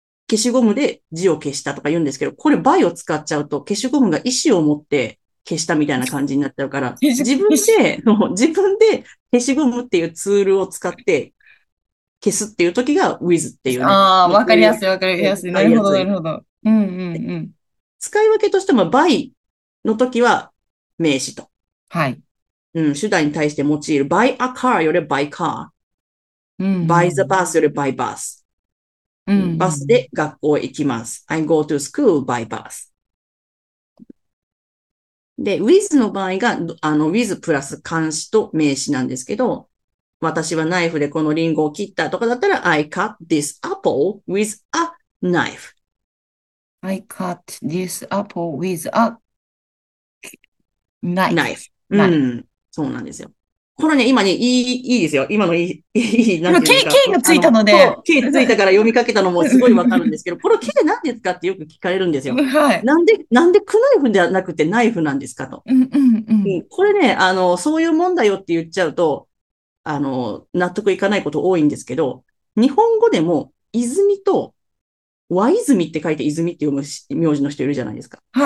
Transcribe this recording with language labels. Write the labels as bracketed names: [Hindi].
[Japanese] 消しゴムで字を消したとか言うんですけど、これ by を使っちゃうと消しゴムが意思を持って消したみたいな感じになっちゃうから、自分で消しゴムっていうツールを使って消すっていうときが with っていうね。ああ、まあ、こういわかりやう、すい。ないるほど。使い分けとしても by のときは名詞と。うん、手段に対して用いる。 by a car より by car。 by the bus より by bus。うん、バスで学校へ行きます。 [English] I go to school by bus。 [Japanese] で、with の場合が、with プラス冠詞と名詞なんですけど、私はナイフでこのリンゴを切ったとかだったら、 [English] I cut this apple with a knife。 I cut this apple with a knife. [Japanese] ナイフ。うん。そうなんですよ。これね、今ね、いいですよ。今のいい、なんていうんですか。 K がついたので。そう、K ついたから読みかけたのもすごいわかるんですけど、この K で何ですかってよく聞かれるんですよ。なんでクナイフではなくてナイフなんですかと。うん。これね、そういうもんだよって言っちゃうと、納得いかないこと多いんですけど、日本語でも、泉と、和泉って書いて泉って読む名字の人いるじゃないですか。